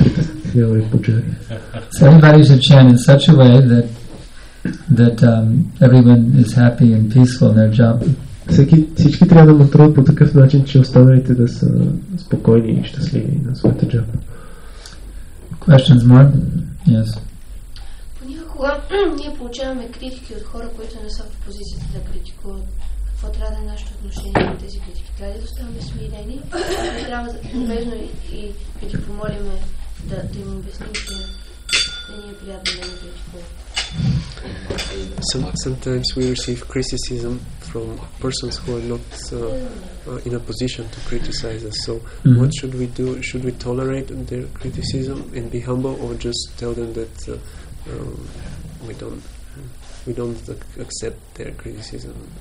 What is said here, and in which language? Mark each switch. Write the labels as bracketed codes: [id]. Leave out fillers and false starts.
[en] So everybody should chant in such a way that everyone is happy and peaceful in their job. [bg] Всички трябва да мантруват по такъв начин, че останалите да са спокойни и щастливи на своята джапа. [en] Questions more? Yes. [bg] Понякога ние получаваме критики от хора, които не са в позицията да критикуват. Какво трябва да е нашето отношение на тези критики? Трябва да оставаме смирени? Трябва да любезно и да помолим да им обясним, че не ни е приятно да ни критикуват. [en] Sometimes we receive criticism from persons who are not in a position to criticize us. So mm-hmm. What should we do? Should we tolerate their criticism and be humble, or just tell them that we don't accept their criticism?